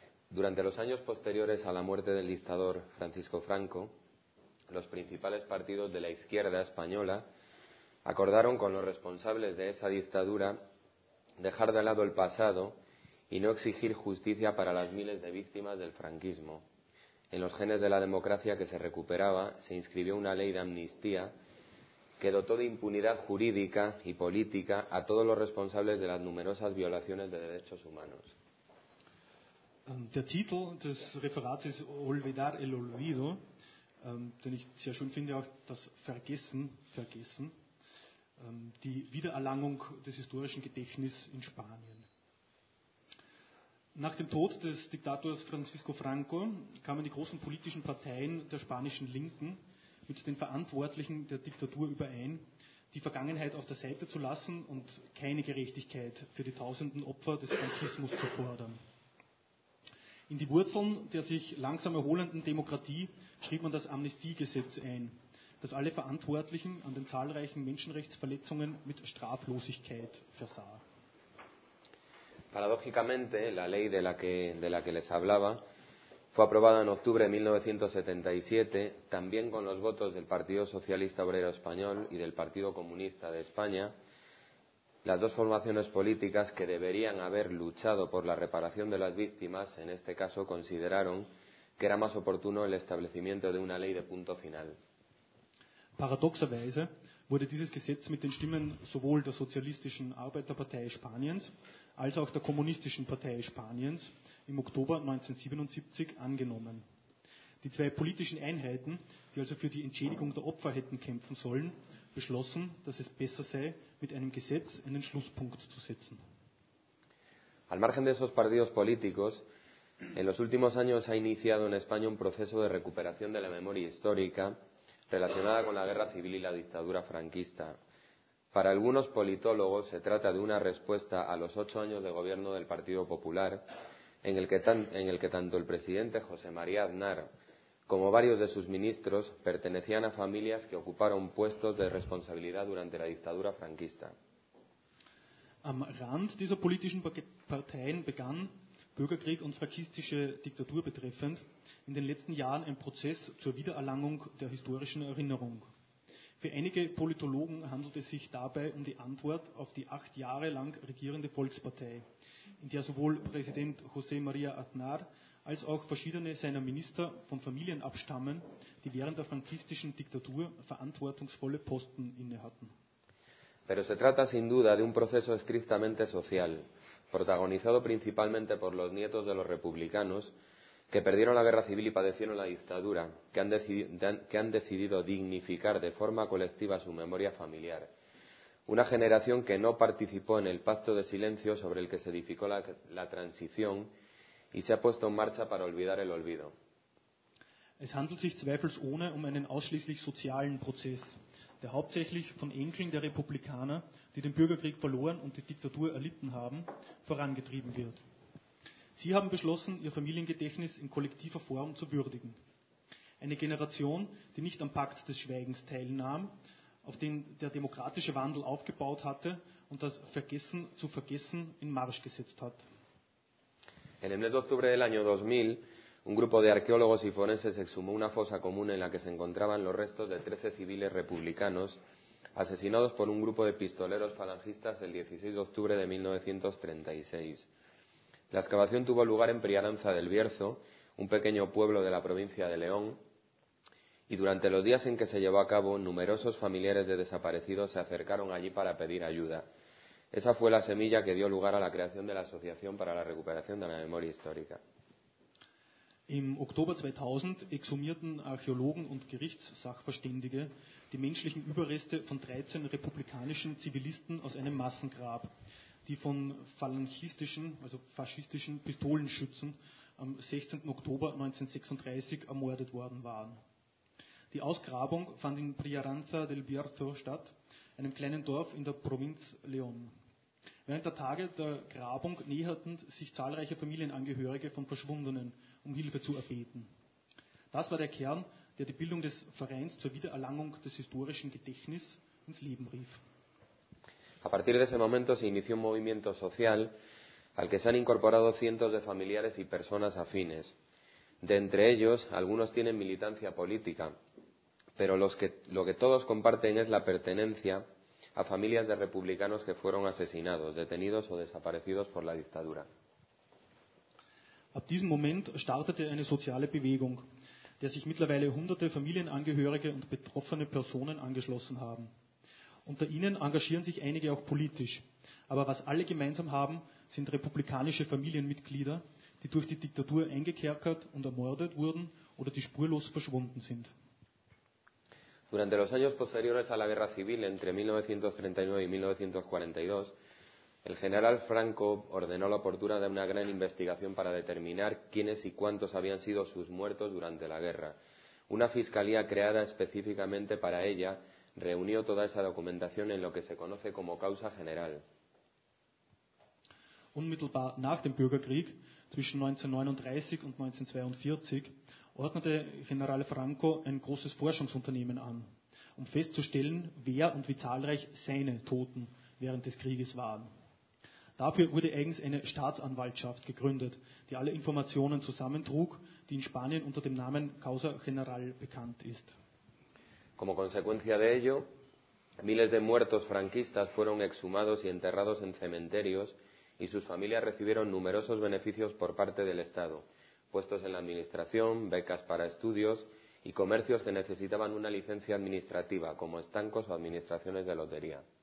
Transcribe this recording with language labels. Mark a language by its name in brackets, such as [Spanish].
[Spanish] Durante los años posteriores a la muerte del dictador Francisco Franco, los principales partidos de la izquierda española acordaron con los responsables de esa dictadura dejar de lado el pasado y no exigir justicia para las miles de víctimas del franquismo. En los genes de la democracia que se recuperaba se inscribió una ley de amnistía que dotó de impunidad jurídica y política a todos los responsables de las numerosas violaciones de derechos humanos. [German] Der Titel des Referats ist Olvidar el Olvido, den ich sehr schön finde, auch das Vergessen, Vergessen, die Wiedererlangung des historischen Gedächtnisses in Spanien. Nach dem Tod des Diktators Francisco Franco kamen die großen politischen Parteien der spanischen Linken mit den Verantwortlichen der Diktatur überein, die Vergangenheit auf der Seite zu lassen und keine Gerechtigkeit für die tausenden Opfer des Franquismus zu fordern. In die Wurzeln der sich langsam erholenden Demokratie schrieb man das Amnestiegesetz ein, das alle Verantwortlichen an den zahlreichen Menschenrechtsverletzungen mit Straflosigkeit versah. [Spanish] Paradójicamente, la ley de la que les hablaba fue aprobada en octubre de 1977, también con los votos del Partido Socialista Obrero Español y del Partido Comunista de España, las dos formaciones políticas que deberían haber luchado por la reparación de las víctimas, en este caso consideraron que era más oportuno el establecimiento de una ley de punto final. [German] Paradoxerweise wurde dieses Gesetz mit den Stimmen sowohl der Sozialistischen Arbeiterpartei Spaniens als auch der Kommunistischen Partei Spaniens im Oktober 1977 angenommen. Die zwei politischen Einheiten, die also für die Entschädigung der Opfer hätten kämpfen sollen, beschlossen, dass es besser sei, mit einem Gesetz einen Schlusspunkt zu setzen. [Spanish] Al margen de esos partidos políticos, En los últimos años ha iniciado en España un proceso de recuperación de la memoria histórica relacionada con la guerra civil y la dictadura franquista. Para algunos politólogos se trata de una respuesta a los 8 años de gobierno del Partido Popular, en el que tanto el presidente José María Aznar como varios de sus ministros pertenecían a familias que ocuparon puestos de responsabilidad durante la dictadura franquista. [German] Am Rand dieser politischen Parteien begann, Bürgerkrieg und faschistische Diktatur betreffend, in den letzten Jahren ein Prozess zur Wiedererlangung der historischen Erinnerung. Für einige Politologen handelt es sich dabei um die Antwort auf die 8 Jahre lang regierende Volkspartei, in der sowohl Präsident José María Aznar als auch verschiedene seiner Minister von Familien abstammen, die während der frankistischen Diktatur verantwortungsvolle Posten innehatten. [Spanish] Pero se trata sin duda de un proceso estrictamente social, protagonizado principalmente por los nietos de los republicanos que perdieron la guerra civil y padecieron la dictadura, que han decidido dignificar de forma colectiva su memoria familiar. Una generación que no participó en el pacto de silencio sobre el que se edificó la transición y se ha puesto en marcha para olvidar el olvido. [German] Es handelt sich zweifelsohne einen ausschließlich sozialen Prozess, der hauptsächlich von Enkeln der Republikaner, die den Bürgerkrieg verloren und die Diktatur erlitten haben, vorangetrieben wird. Sie haben beschlossen, ihr Familiengedächtnis in kollektiver Form zu würdigen. Eine Generation, die nicht am Pakt des Schweigens teilnahm, auf den der demokratische Wandel aufgebaut hatte und das Vergessen zu vergessen in Marsch gesetzt hat. [Spanish] En el mes de octubre del año 2000, un grupo de arqueólogos y forenses exhumó una fosa común en la que se encontraban los restos de 13 civiles republicanos asesinados por un grupo de pistoleros falangistas el 16 de octubre de 1936. La excavación tuvo lugar en Priaranza del Bierzo, un pequeño pueblo de la provincia de León, y durante los días en que se llevó a cabo, numerosos familiares de desaparecidos se acercaron allí para pedir ayuda. Esa fue la semilla que dio lugar a la creación de la Asociación para la Recuperación de la Memoria Histórica. [German] Im Oktober 2000 exhumierten Archäologen und Gerichtssachverständige die menschlichen Überreste von 13 republikanischen Zivilisten aus einem Massengrab, die von phalangistischen, also faschistischen Pistolenschützen am 16. Oktober 1936 ermordet worden waren. Die Ausgrabung fand in Priaranza del Bierzo statt, einem kleinen Dorf in der Provinz León. Während der Tage der Grabung näherten sich zahlreiche Familienangehörige von Verschwundenen, um Hilfe zu erbeten. Das war der Kern, der die Bildung des Vereins zur Wiedererlangung des historischen Gedächtnisses ins Leben rief. [Spanish] A partir de ese momento se inició un movimiento social al que se han incorporado cientos de familiares y personas afines. De entre ellos, algunos tienen militancia política, pero lo que todos comparten es la pertenencia a familias de republicanos que fueron asesinados, detenidos o desaparecidos por la dictadura. [German] Ab diesem Moment startete eine soziale Bewegung, der sich mittlerweile hunderte Familienangehörige und betroffene Personen angeschlossen haben. Unter ihnen engagieren sich einige auch politisch. Aber was alle gemeinsam haben, sind republikanische Familienmitglieder, die durch die Diktatur eingekerkert und ermordet wurden oder die spurlos verschwunden sind. [Spanish] Durante los años posteriores a la guerra civil, entre 1939 y 1942, el general Franco ordenó la apertura de una gran investigación para determinar quiénes y cuántos habían sido sus muertos durante la guerra. Una fiscalía creada específicamente para ella reunió toda esa documentación en lo que se conoce como causa general. [German] Unmittelbar nach dem Bürgerkrieg, zwischen 1939 und 1942, ordnete General Franco ein großes Forschungsunternehmen an, um festzustellen, wer und wie zahlreich seine Toten während des Krieges waren. Dafür wurde eigens eine Staatsanwaltschaft gegründet, die alle Informationen zusammentrug, die in Spanien unter dem Namen Causa General bekannt ist. [Spanish] Como consecuencia de ello, miles de muertos franquistas fueron exhumados y enterrados en cementerios y sus familias recibieron numerosos beneficios por parte del Estado, puestos en la administración, becas para estudios y comercios que necesitaban una licencia administrativa, como estancos o administraciones de lotería.